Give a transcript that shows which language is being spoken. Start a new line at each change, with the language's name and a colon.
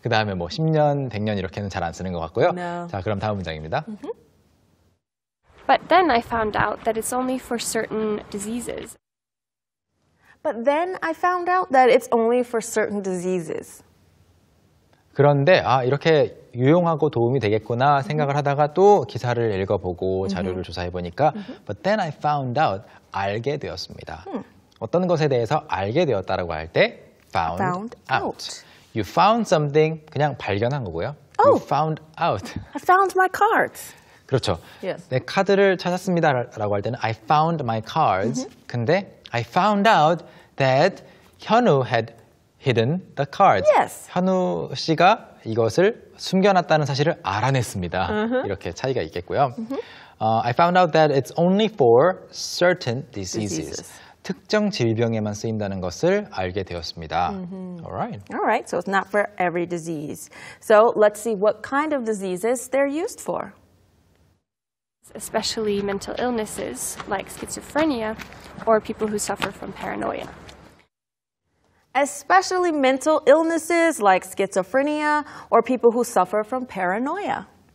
Korean: 그 다음에 뭐 10년, 100년 이렇게는 잘 안 쓰는 것 같고요.
English: No.
Korean: 자, 그럼 다음 문장입니다.
English: But then I found out that it's only for certain diseases. But then I found out that it's only for certain diseases.
Korean: 그런데 아 이렇게 유용하고 도움이 되겠구나 생각을 하다가 또 기사를 읽어보고 자료를 조사해 보니까
English: but then I found out
Korean: 알게 되었습니다. 어떤 것에 대해서 알게 되었다라고 할 때 found out.
English: You found something
Korean: 그냥 발견한 거고요.
English: Oh, you found out. I found my cards.
Korean: 그렇죠.
English: Yes.
Korean: 내 카드를 찾았습니다라고 할 때는
English: I found my cards. 근데 I found out that 현우 had hidden the cards. Yes.
Korean: 현우 씨가 이것을 숨겨놨다는 사실을 알아냈습니다. 이렇게 차이가 있겠고요.
English: I found out that it's only for certain diseases.
Korean: 특정 질병에만 쓰인다는 것을 알게 되었습니다.
English: All right. So it's not for every disease. So let's see what kind of diseases they're used for. Especially mental illnesses like schizophrenia or people who suffer from paranoia. Especially mental illnesses like schizophrenia or people who suffer from paranoia.